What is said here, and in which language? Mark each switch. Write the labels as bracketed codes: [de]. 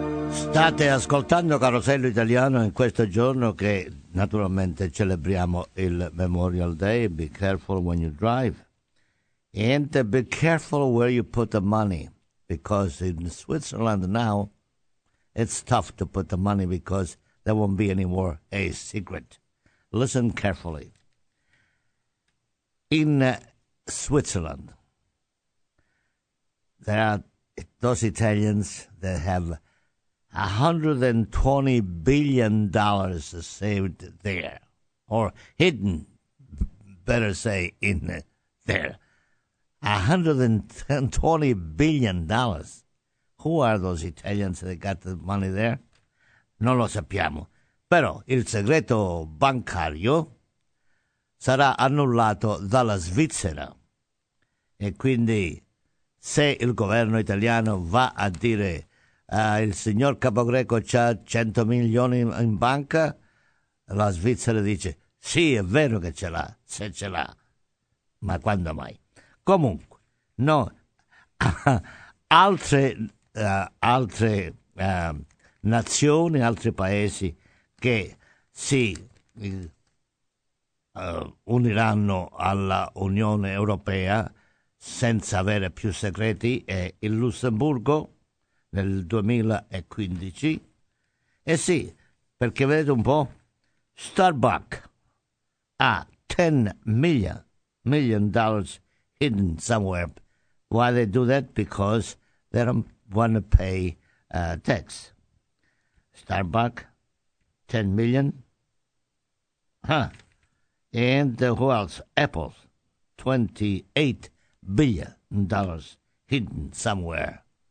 [it] State ascoltando Carosello Italiano in questo giorno che naturalmente celebriamo il Memorial Day. [en] Be careful when you drive. And be careful where you put the money, because in Switzerland now it's tough to put the money because there won't be any more a secret. Listen carefully. In Switzerland, there are those Italians that have $120 billion saved there, or hidden, better say, in there. $120 billion. Who are those Italians that got the money there? [it] Non lo sappiamo. Però il segreto bancario sarà annullato dalla Svizzera. E quindi, se il governo italiano va a dire: il signor Capogreco c'ha 100 milioni in banca, la Svizzera dice: sì, è vero che ce l'ha, se ce l'ha, ma quando mai? Comunque, no, altre nazioni, altri paesi che si uniranno alla Unione Europea senza avere più segreti è il Lussemburgo, nel 2015. E sì, perché vedete un po', Starbucks ha [en] $10 million hidden somewhere. Why they do that? Because they don't want to pay tax. Starbucks, $10 million, Huh. And who else? Apples. $28 billion hidden somewhere.